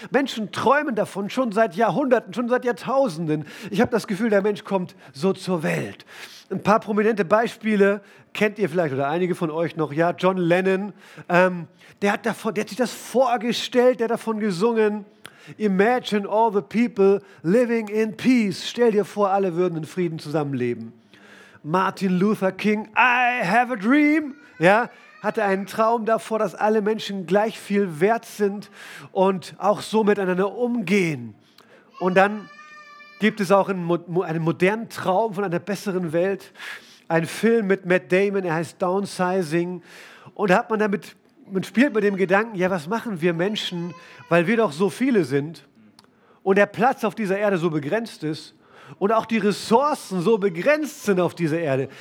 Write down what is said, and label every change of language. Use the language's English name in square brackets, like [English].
[German] Menschen träumen davon schon seit Jahrhunderten, schon seit Jahrtausenden. Ich habe das Gefühl, der Mensch kommt so zur Welt. Ein paar prominente Beispiele kennt ihr vielleicht oder einige von euch noch. Ja, John Lennon, der hat sich das vorgestellt, der hat davon gesungen. [English] Imagine all the people living in peace. [German] Stell dir vor, alle würden in Frieden zusammenleben. [English] Martin Luther King, I have a dream. [German] Ja, hatte einen Traum davor, dass alle Menschen gleich viel wert sind und auch so miteinander umgehen. Und dann gibt es auch einen modernen Traum von einer besseren Welt. Ein Film mit Matt Damon, er heißt Downsizing. Und da hat man damit, man spielt mit dem Gedanken, ja, was machen wir Menschen, weil wir doch so viele sind und der Platz auf dieser Erde so begrenzt ist und auch die Ressourcen so begrenzt sind auf dieser Erde.